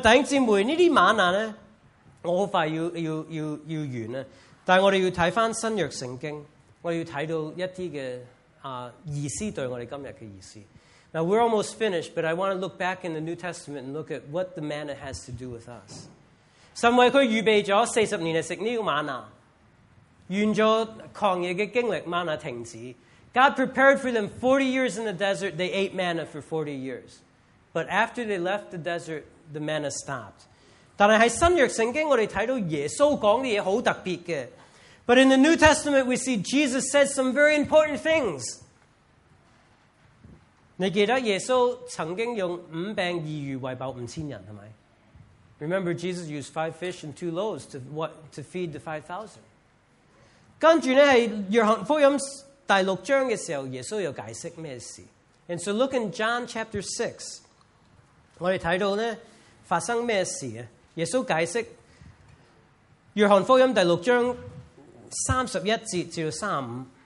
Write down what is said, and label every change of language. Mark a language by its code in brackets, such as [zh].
[zh] 弟兄姊妹，这些玛纳呢，我很快要完，但我们要看回新约圣经，我们要看到一些的意思，对我们今天的意思。 [en] Now we're almost finished, but I want to look back in the New Testament and look at what the manna has to do with us. [zh] 神为他预备了四十年来吃这个玛纳，完了旷野的经历，玛纳停止。 [en] God prepared for them 40 years in the desert, they ate manna for 40 years. But after they left the desert, the manna stopped. [zh] 但是在新约圣经我们看到耶稣讲的东西很特别的。 [en] But in the New Testament, we see Jesus said some very important things. [zh] 你记得耶稣曾经用五饼二鱼喂饱五千人，是吗？ [en] Remember, Jesus used five fish and two loaves to feed the 5,000. [zh] 跟着呢，在约翰福音第六章的时候，耶稣又解释什么事。 [en] And so look in John chapter 6. [zh] 我们看到呢，发生什么事？耶稣解释约翰福音第六章31-35.